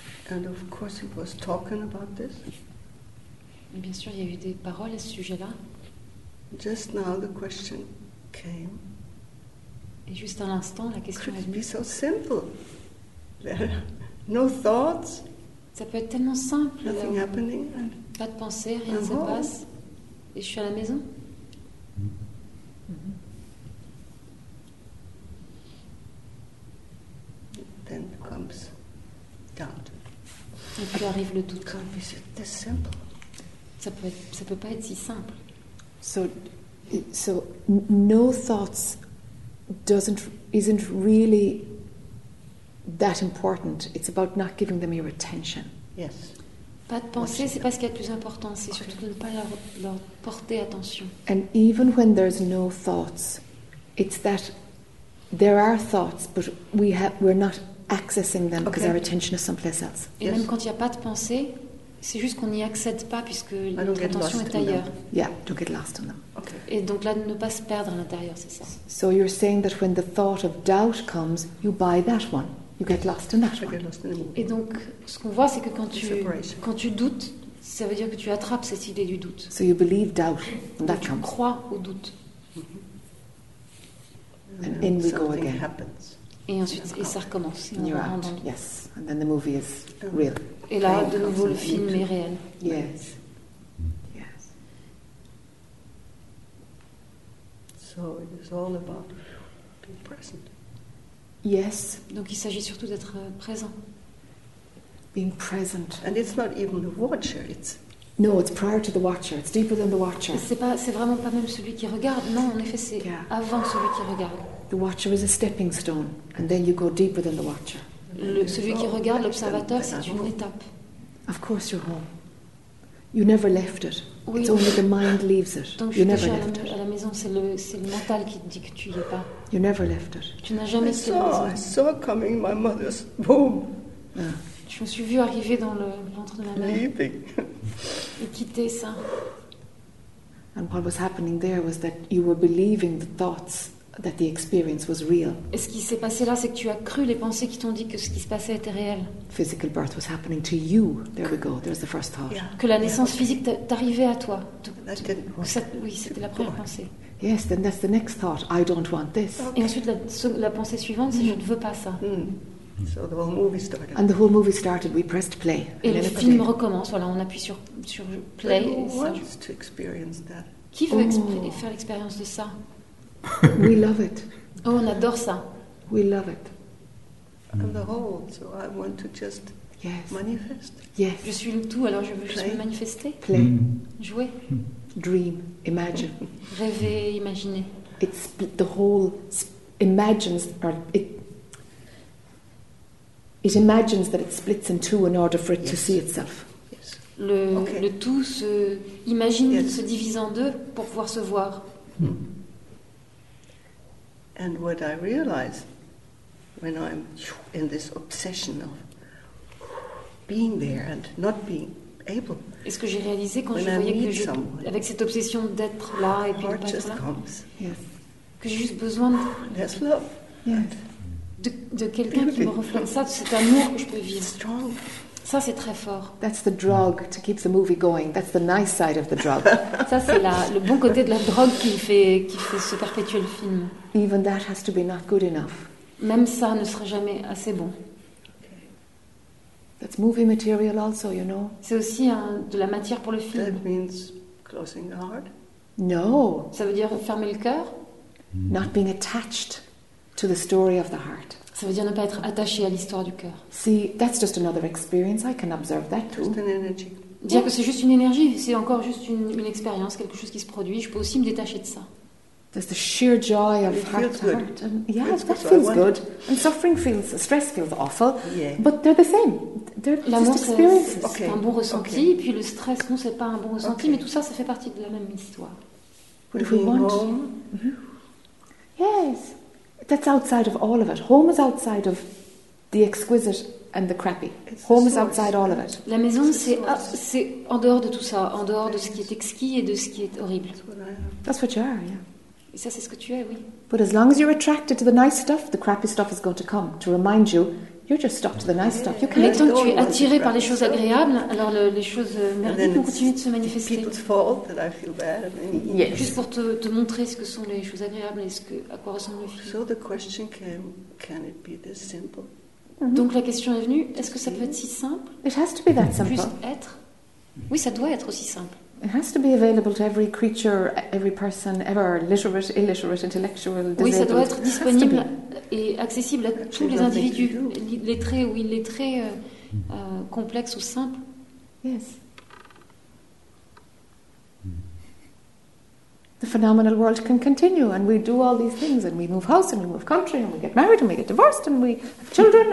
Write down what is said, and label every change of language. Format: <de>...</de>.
<en>And of course it was talking about this.</en> <fr>Et bien sûr, il y a eu des paroles à ce sujet-là.</fr> <en>Just now the question came.</en> <fr>Et juste à l'instant, la question est venue.</fr> <en>Could it be so simple? There are no thoughts.</en> <fr>Ça peut être tellement simple.</fr> <en>Nothing happening.</en> <fr>Pas de pensée, rien ne se passe. Et je suis à la maison.</fr> <en>Then comes doubt.</en> <fr>Et puis arrive le doute.</fr> <en>Can't be so simple.</en> <fr>Ça peut pas être si simple.</fr> <en>So no thoughts isn't really that important. It's about not giving them your attention. Yes.</en> <fr>Pas de pensée, c'est pas ce qui est le plus important. C'est surtout de ne pas leur porter attention.</fr> <en>And even when there's no thoughts, it's that there are thoughts, but we're not accessing them because our attention is someplace else.</en> <fr>Et yes. Même quand il y a pas de pensée, c'est juste qu'on n'y accède pas puisque notre attention est ailleurs.</fr> <en>Yeah, don't get lost in them. Okay.</en> <fr>Et donc là, ne pas se perdre à l'intérieur, c'est ça.</fr> <en>So you're saying that when the thought of doubt comes, you buy that one. You get lost in that one.</en> <fr>Et donc, ce qu'on voit, c'est que quand tu doutes, ça veut dire que tu attrapes cette idée du doute.</fr> <en>So you believe doubt, and that comes.</en> <fr>Tu crois au doute.</fr> <en>Mm-hmm. And in we go again. Happens.</en> <fr>Et ensuite, et ça recommence.</fr> <en>And you're out. Yes. And then the movie is real.</en> <fr>Et là, de nouveau, le film est réel.</fr> <en>Yes. So it is all about being present. Yes.</en> <fr>Donc il s'agit surtout d'être présent.</fr> <en>Being present. And it's not even the watcher. No, it's prior to the watcher. It's deeper than the watcher.</en> <fr>C'est vraiment pas même celui qui regarde. Non, en effet, c'est avant celui qui regarde.</fr> <en>The watcher is a stepping stone, and then you go deeper than the watcher.</en> <fr>Celui qui regarde, l'observateur, c'est une étape.</fr> <en>Of course, you're home. You never left it.</en> <fr>Oui.</fr> <en>It's only the mind leaves it.</en> <fr>Donc,</fr> <en>you never</en> <fr>déjà</fr> <en>left</en> <fr>à la maison, c'est le mental qui te dit que tu y es pas.</fr> <en>You never left it.</en> <fr>Tu n'as jamais quitté la maison.</fr> <en>I saw coming my mother's womb.</en> <fr>Je me suis vu arriver dans le ventre de ma mère.</fr> <en>Leaving.</en> <fr>Et quitter ça.</fr> <en>And what was happening there was that you were believing the thoughts that the experience was real.</en> <fr>Et ce qui s'est passé là, c'est que tu as cru les pensées qui t'ont dit que ce qui se passait était réel.</fr> <en>Physical birth was happening to you. There we go. There's the first thought. Yeah.</en> <fr>Que la naissance physique t'arrivait à toi. Oui, c'était la première pensée.</fr> <en>Yes, then that's the next thought. I don't want this. Okay.</en> <fr>Et ensuite, la pensée suivante, c'est je ne veux pas ça. Mm.</fr> <en>So the whole movie started. And the whole movie started. We pressed play.</en> <fr>Et le film recommence. Voilà, on appuie sur play.</fr> <en>Who wants to experience that?</en> <fr>Qui veut faire l'expérience de ça?</fr> <en>We love it.</en> <fr>Oh, on adore ça.</fr> <en>We love it. I'm the whole, so I want to just manifest. Yes.</en> <fr>Je suis le tout, alors je veux juste me manifester.</fr> <en>Play.</en> <fr>Jouer.</fr> <en>Dream. Imagine.</en> <fr>Rêver, imaginer.</fr> <en>It's the whole imagines or it. It imagines that it splits in two in order for it to see itself. Yes.</en> <fr>Le tout se imagine se divise en deux pour pouvoir se voir.</fr> <en>And what I realize when I'm in this obsession of being there and not being able.</en> <fr>Est-ce que j'ai réalisé quand je voyais que avec cette obsession d'être là et puis pas être là?</fr> <en>Comes. Yes.</en> <fr>Que j'ai juste besoin de.</fr> <en>There's love. Yes.</en> <fr>De quelqu'un qui me reflète ça, de cet amour que je peux vivre. Ça, c'est très fort.</fr> <en>That's the drug to keep the movie going. That's the nice side of the drug.</en> <fr>Ça, c'est le bon côté de la drogue qui fait se perpétuer le film.</fr> <en>Even that has to be not good enough.</en> <fr>Même ça ne sera jamais assez bon.</fr> <en>That's movie material also, you know.</en> <fr>C'est aussi de la matière pour le film.</fr> <en>That means closing the heart. No.</en> <fr>Ça veut dire fermer le cœur.</fr> <en>Not being attached to the story of the heart.</en> <fr>Ça veut dire ne pas être attaché à l'histoire du cœur.</fr> <en>See, that's just another experience. I can observe that too. Just an energy.</en> <fr>Dire que c'est juste une énergie, c'est encore juste une expérience, quelque chose qui se produit. Je peux aussi me détacher de ça.</fr> <en>There's the sheer joy of heart to heart. Yeah, that feels good. And suffering feels, stress feels awful. Yeah. But they're the same. They're just experiences.</en> <fr>C'est un bon ressenti. Okay. Puis le stress, non, c'est pas un bon ressenti. Okay. Mais tout ça fait partie de la même histoire.</fr> <en>What if we want? Yes. That's outside of all of it. Home is outside of the exquisite and the crappy. Home is outside all of it.</en> <fr>La maison, c'est en dehors de tout ça, en dehors de ce qui est exquis et de ce qui est horrible.</fr> <en>That's what you are, yeah.</en> <fr>Et ça, c'est ce que tu es, oui.</fr> <en>But as long as you're attracted to the nice stuff, the crappy stuff is going to come to remind you. You're just stuck to the nice stuff. You can't.</en> <fr>Mais tant que tu es attiré par les choses agréables, alors les choses merdiques vont continuer de se manifester.</fr> <en>People's fault that I feel bad. Yes.</en> <fr>Juste pour te montrer ce que sont les choses agréables et à quoi ressemble le film.</fr> <en>So the question came, can it be this simple?</en> <fr>Donc la question est venue, est-ce que ça peut être si simple?</fr> <en>It has to be that simple.</en> <fr>Juste être? Oui, ça doit être aussi simple.</fr> <en>It has to be available to every creature, every person, ever literate, illiterate, intellectual, disabled.</en> <fr>Oui, ça doit être disponible et accessible à tous les individus, lettrés ou illettrés, complexes ou simples.</fr> <en>Yes. The phenomenal world can continue, and we do all these things, and we move house, and we move country, and we get married, and we get divorced, and we have children.</en>